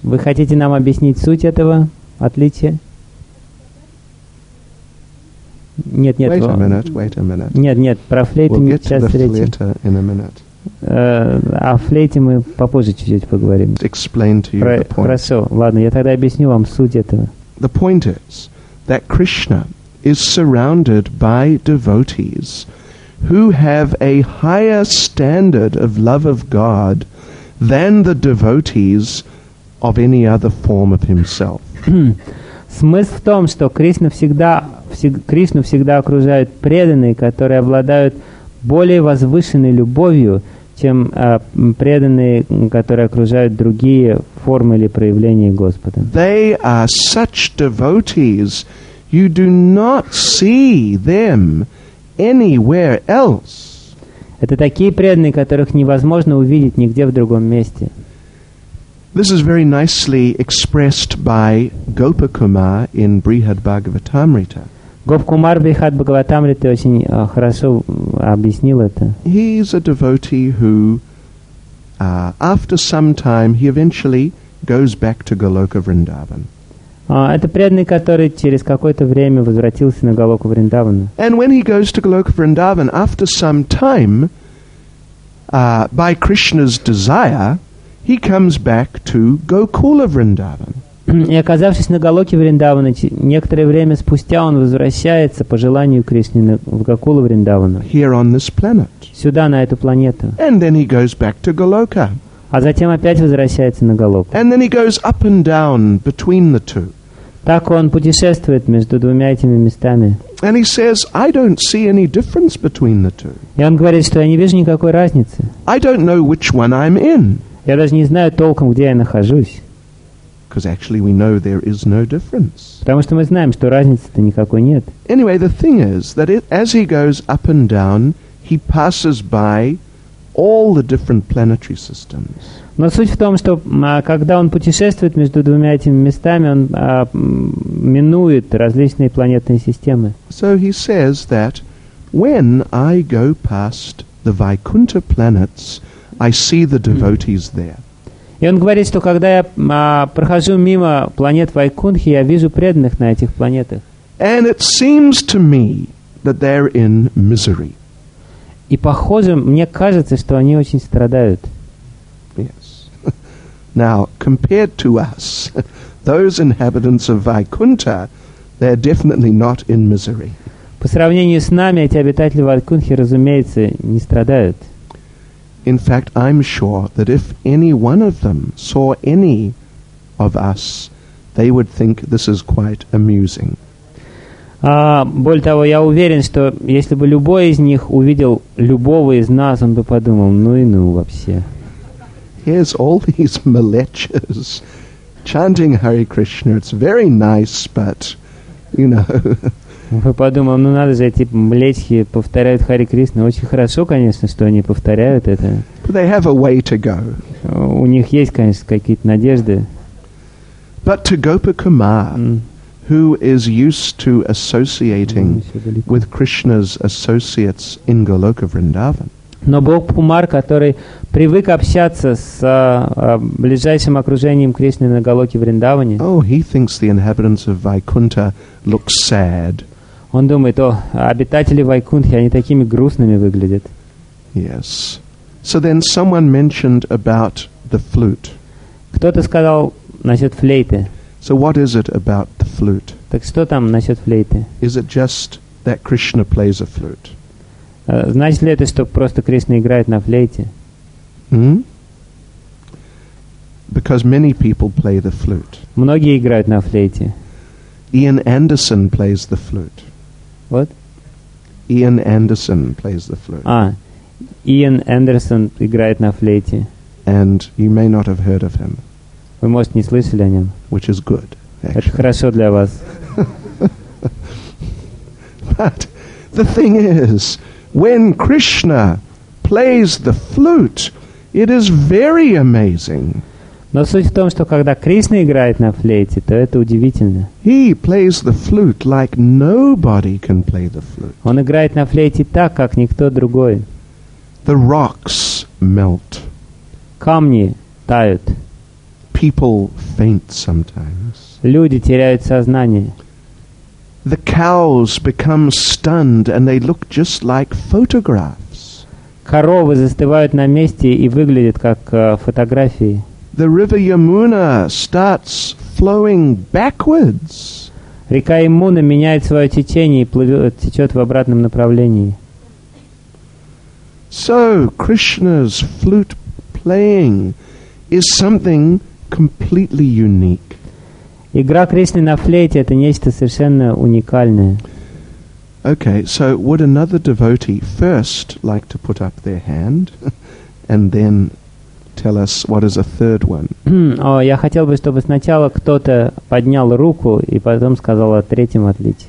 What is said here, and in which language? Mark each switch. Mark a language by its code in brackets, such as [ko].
[ru] Вы хотите нам объяснить суть этого отличия? Нет, нет. [en] Wait a minute. Wait a minute. [ru] Нет, нет. Про флейту [en] we'll [ru] мы сейчас встретим. [en] We'll get to the flute in a minute. [ru] О флейте мы попозже чуть-чуть поговорим. [en] Explain to you the point. [ru] Хорошо, ладно, я тогда объясню вам суть этого. [en] The point is that Krishna is surrounded by devotees who have a higher standard of love of God than the devotees of any other form of himself. [ru] Смысл в том, что Кришну всегда окружают преданные, которые обладают более возвышенной любовью, чем преданные, которые окружают другие формы или проявления Господа. [en] They are such devotees, you do not see them anywhere else. [ru] Это такие преданные, которых невозможно увидеть нигде в другом месте. [en] This is very nicely expressed by Gopakumar in Brihad Bhagavatamrita. [ru] Gopakumar Brihad Bhagavatamrita очень хорошо объяснил это. [en] He is a devotee who, after some time, he eventually goes back to Goloka Vrindavan. [ru] Это преданный, который через какое-то время возвратился на Голоку Вриндавана. [en] And when he goes to Goloka Vrindavan, after some time, by Krishna's desire, he comes back to Gokula Vrindavan. [ru] И оказавшись на Голоке Вриндавана, некоторое время спустя он возвращается по желанию Кришны в Гокулу Вриндавана. [en] Here on this planet. [ru] Сюда, на эту планету. [en] And then he goes back to Goloka. [ru] А затем опять возвращается на Голоку. [en] And then he goes up and down between the two. [ru] Так он путешествует между двумя этими местами. [en] And he says, I don't see any difference between the two. [ru] И он говорит, что я не вижу никакой разницы. [en] I don't know which one I'm in. [ru] Я даже не знаю толком, где я нахожусь. [en] Because actually we know there is no difference. [ru] Потому что мы знаем, что разницы-то никакой нет. [en] Anyway, the thing is that as he goes up and down, he passes by all the different planetary systems. [ru] Но суть в том, что когда он путешествует между двумя этими местами, он минует различные планетные системы. [en] So he says that when I go past the Vaikuntha planets, I see the devotees there. [ru] И он говорит, что когда я прохожу мимо планет Вайкунхи, я вижу преданных на этих планетах. [en] And it seems to me that they're in misery. [ru] И похоже, мне кажется, что они очень страдают. [en] Yes. Now, compared to us, those inhabitants of Vaikuntha, they're definitely not in misery. [ru] По сравнению с нами, эти обитатели Вайкунхи, разумеется, не страдают. [en] In fact, I'm sure that if any one of them saw any of us, they would think this is quite amusing. [ru] Более того, я уверен, что если бы любой из них увидел любого из нас, он бы подумал, ну и ну вообще. [en] Here's all these malechas chanting Hare Krishna. It's very nice, but, you know... [ru] Я подумал, ну надо же, эти млечки повторяют Харе Кришна. Очень хорошо, конечно, что они повторяют это. [en] But they have a way to go. [ru] У них есть, конечно, какие-то надежды. [en] But to Gopakumar, who is used to associating with Krishna's associates in Goloka Vrindavan. [ru] Но Гопакумар, который привык общаться с ближайшим окружением Кришны на Голоке Вриндаване. [en] Oh, he thinks the inhabitants of Vaikuntha look sad. [ru] Он думает, о, обитатели Вайкунхи, они такими грустными выглядят. [en] Yes. So then someone mentioned about the flute. [ru] Кто-то сказал насчет флейты. [en] So what is it about the flute? [ru] Так что там насчет флейты? [en] Is it just that Krishna plays a flute? [ru] Значит ли это, что просто Кришна играет на флейте? [en] Because many people play the flute. [ru] Многие играют на флейте. [en] Ian Anderson plays the flute. What? Ian Anderson plays the flute. [ru] Ah, Ian Anderson играет на флейте. [en] And you may not have heard of him. [ru] Вы, может, не слышали о нем. [en] Which is good, actually. [ru] Это хорошо для вас. [en] But the thing is, when Krishna plays the flute, it is very amazing. [ru] Но суть в том, что когда Кришна играет на флейте, то это удивительно. [en] He plays the flute like nobody can play the flute. [ru] Он играет на флейте так, как никто другой. [en] The rocks melt. [ru] Камни тают. [en] People faint sometimes. [ru] Люди теряют сознание. [en] The cows become stunned and they look just like photographs. [ru] Коровы застывают на месте и выглядят как фотографии. [en] The river Yamuna starts flowing backwards. [ru] Река Ямуна меняет свое течение и плывет, течет в обратном направлении. [en] So Krishna's flute playing is something completely unique. [ru] Игра Кришны на флейте — это нечто совершенно уникальное. [en] Okay, so would another devotee first like to put up their hand and then tell us what is a third one? [ru] Oh, я хотел бы, чтобы сначала кто-то поднял руку и потом сказал о третьем отличии.